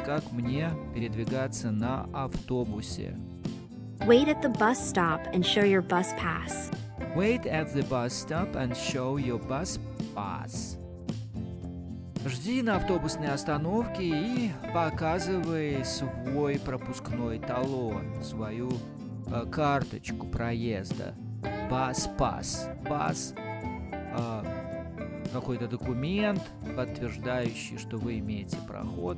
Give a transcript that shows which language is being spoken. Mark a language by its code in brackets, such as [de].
[ru] Как мне передвигаться на автобусе? [en] Wait at the bus stop and show your bus pass. Wait at the bus stop and show your bus pass. [ru] Жди на автобусной остановке и показывай свой пропускной талон, свою карточку проезда. [en] Bus pass. [ru] Bus какой-то документ, подтверждающий, что вы имеете проход.